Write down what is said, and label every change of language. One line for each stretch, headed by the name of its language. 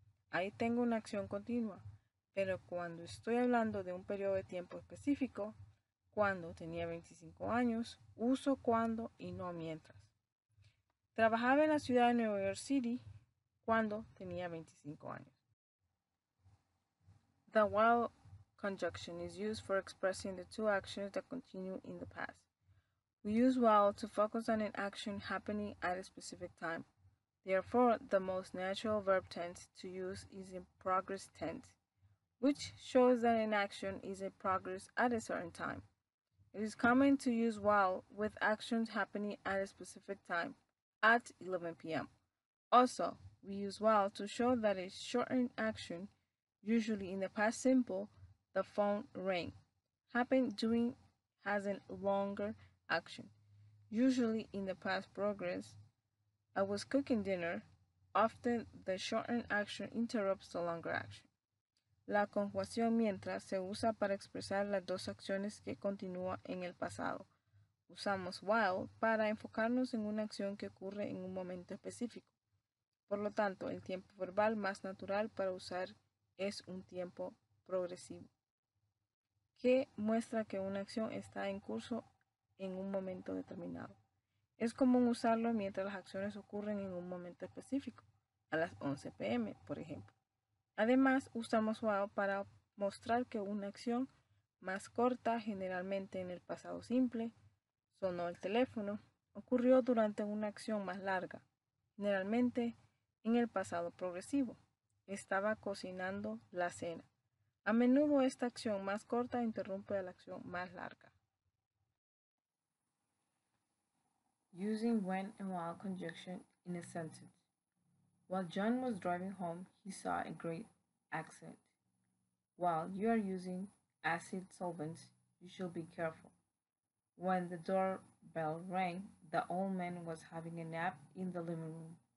Spanish: Ahí tengo una acción continua. Pero cuando estoy hablando de un periodo de tiempo específico, cuando tenía 25 años, uso cuando y no mientras. Trabajaba en la ciudad de Nueva York City cuando tenía 25 años.
English: The while conjunction is used for expressing the two actions that continue in the past. We use while to focus on an action happening at a specific time. Therefore, the most natural verb tense to use is in progress tense, which shows that an action is in progress at a certain time. It is common to use while with actions happening at a specific time, at 11 p.m., Also, we use while to show that it's shortened action, usually in the past simple, the phone rang. Happened doing has a longer action, usually in the past progress, I was cooking dinner. Often, the shortened action interrupts the longer action.
Spanish: La conjugación mientras se usa para expresar las dos acciones que continúan en el pasado. Usamos while para enfocarnos en una acción que ocurre en un momento específico. Por lo tanto, el tiempo verbal más natural para usar es un tiempo progresivo, que muestra que una acción está en curso en un momento determinado. Es común usarlo mientras las acciones ocurren en un momento específico, a las 11 p.m., por ejemplo. Además, usamos while para mostrar que una acción más corta, generalmente en el pasado simple, sonó el teléfono, ocurrió durante una acción más larga, generalmente en el pasado progresivo, estaba cocinando la cena. A menudo esta acción más corta interrumpe a la acción más larga.
English: Using when and while conjunction in a sentence. While John was driving home, he saw a great accident. While you are using acid solvents, you should be careful. When the doorbell rang, the old man was having a nap in the living room.